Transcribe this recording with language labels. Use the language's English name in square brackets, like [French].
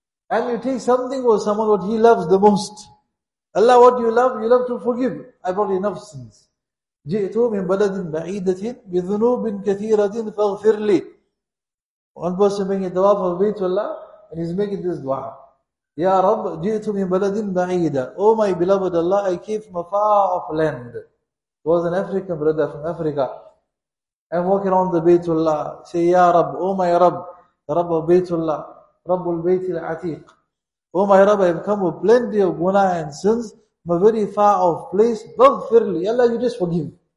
[English] And you take something for someone what he loves the most. Allah, what you love to forgive. I brought enough sins. [Arabic] جِئْتُ مِن بَلَدٍ بَعِيدَةٍ بِذُنُوبٍ كَثِيرَةٍ فَغْفِرْ لِي. [English] One person making dua for Baytullah, and he's making this dua. [Arabic] Ya Rabb, جِئْتُ مِن بَلَدٍ بَعِيدَةٍ. [English] Oh my beloved Allah, I came from a far off land. He was an African brother from Africa. I'm walking around the Baytullah. Say, Ya Rabb, oh my Rabb, the Rabb of Baytullah, Rabb al-Bayt al-Atiq. Oh my Rabb, I have come with plenty of guna and sins from a very far off place. Baghfirli. Allah, you just forgive.